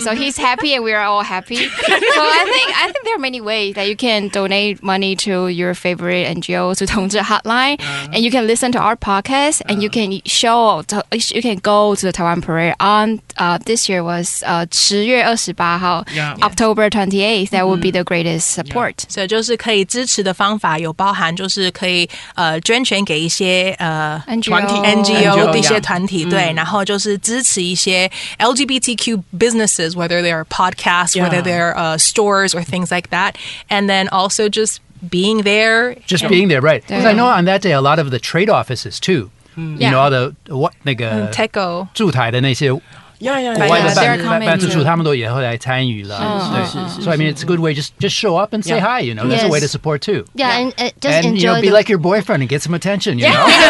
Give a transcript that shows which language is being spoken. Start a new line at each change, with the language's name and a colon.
English: So he's happy and we are all happy. So I think there are many ways that you can donate money to your favorite NGO, to 同志 hotline, and you can listen to our podcast, and you can go to the Taiwan Parade on this year was 10月28号, October 28th. That would be the greatest support. Yeah.
Chinese: 所以就是可以支持的方法有包含就是可以捐钱给一些
English: NGO
Chinese: 的一些团体，对，然后就是支持一些
English: LGBTQ businesses, whether they are podcasts, whether they are stores or things like that, and then also just being there. Just being there, right? Because I know on that day a lot of the trade offices too. You know, all the, what, 那个 Techo
Chinese: 驻台的那些国外的办事处他们都也后来参与了。
English: So I mean, it's a good way, just show up and say hi, you know, that's a way to support too. Yeah, and just enjoy. And, you know, be like your boyfriend and get some attention, you know?